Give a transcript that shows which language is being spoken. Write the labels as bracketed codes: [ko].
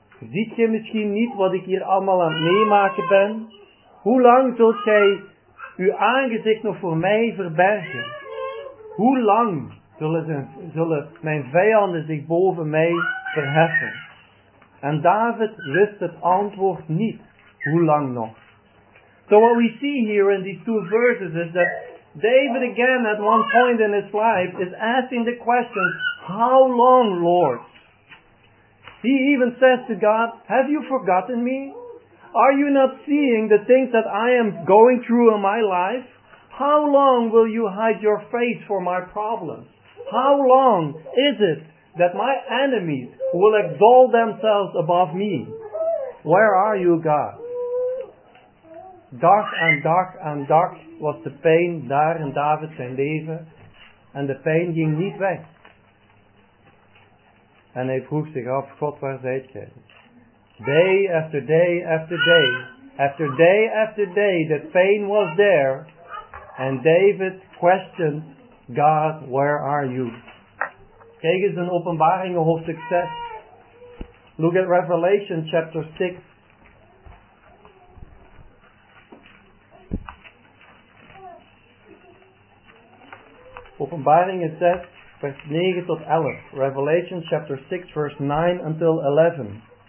[nl] Ziet je misschien niet wat ik hier allemaal aan het meemaken ben? Hoe lang zult jij uw aangezicht nog voor mij verbergen? Hoe lang zullen mijn vijanden zich boven mij verheffen? En David wist het antwoord niet. Hoe lang nog? [en] So what we see here in these two verses is that David again at one point in his life is asking the question, how long, Lord? He even says to God, have you forgotten me? Are you not seeing the things that I am going through in my life? How long will you hide your face for my problems? How long is it that my enemies will exalt themselves above me? Where are you, God? [nl] Dag aan dag aan dag was de pijn daar in David zijn leven. En de pijn ging niet weg. En hij vroeg zich af, God, waar zijt gij? [en] Day after day after day, after day after day, the pain was there. And David questioned, God, where are you? [nl] Kijk eens in Openbaringen hoofdstuk 6. [en] Look at Revelation chapter 6. [nl] Openbaringen 6, vers 9 tot 11. [en] Revelation chapter 6, verse 9 until 11.